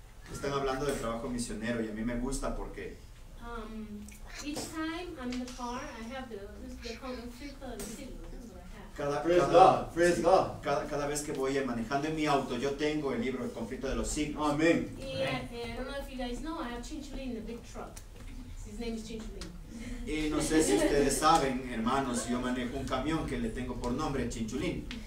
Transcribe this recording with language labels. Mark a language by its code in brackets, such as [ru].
[es] Están hablando del trabajo misionero y a mí me gusta porque [en] each time I'm in the car, I have the conflict. [es] Cada vez que voy manejando en mi auto, yo tengo el libro El Conflicto de los Signos. Oh, amén. [en] Y I don't know if you guys know, I have Chinchulín in the big truck. His name is Chinchulín. [es] Y no sé si ustedes saben, hermanos, yo manejo un camión que le tengo por nombre Chinchulín.